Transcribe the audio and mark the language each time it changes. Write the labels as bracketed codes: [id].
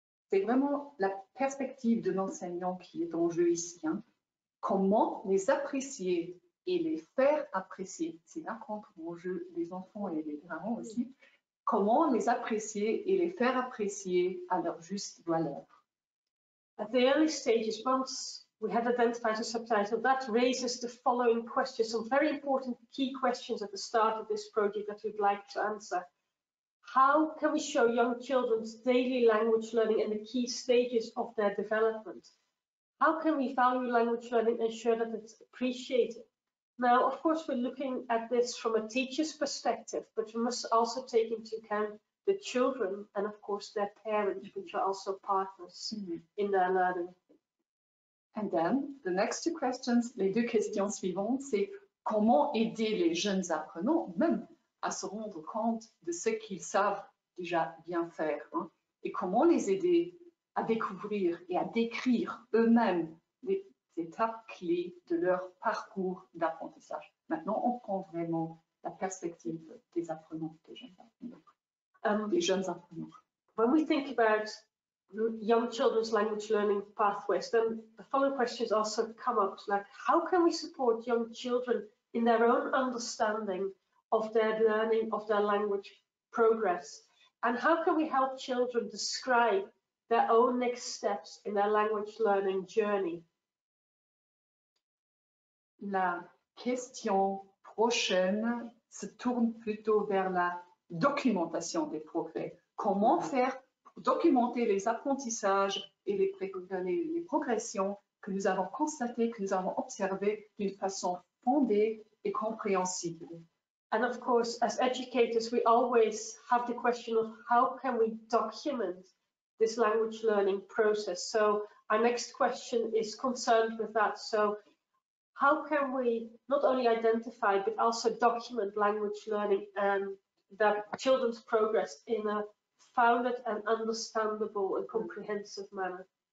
[fr] C'est vraiment la perspective de l'enseignant qui est en jeu ici. Hein. Comment les apprécier et les faire apprécier. C'est là qu'entre en jeu les enfants et les parents aussi. Comment les apprécier et les faire apprécier à leur juste valeur. [en] At the early stages, once we have identified a subtitle, that raises the following questions, some very important key questions at the start of this project that we'd like to answer. How can we show young children's daily language learning in the key stages of their development? How can we value language learning and ensure that it's appreciated? Now, of course, we're looking at this from a teacher's perspective, but we must also take into account the children and, of course, their parents, which are also partners in their learning. And then, the next two questions, [fr] les deux questions suivantes, c'est comment aider les jeunes apprenants, même, à se rendre compte de ce qu'ils savent déjà bien faire, hein, et comment les aider à découvrir et à décrire eux-mêmes les étapes clés de leur parcours d'apprentissage. Maintenant, on prend vraiment la perspective des apprenants, des jeunes apprenants. [en] When we think about young children's language learning pathways, then the following questions also come up, like how can we support young children in their own understanding of their learning, of their language progress? And how can we help children describe their own next steps in their language learning journey? [fr] La question prochaine se tourne plutôt vers la documentation des progrès. Comment faire pour documenter les apprentissages et les progressions que nous avons constatées, que nous avons observées d'une façon fondée et compréhensible? [en] And of course, as educators, we always have the question of how can we document this language learning process? So our next question is concerned with that. So how can we not only identify but also document language learning and that children's progress in a founded and understandable and comprehensive manner?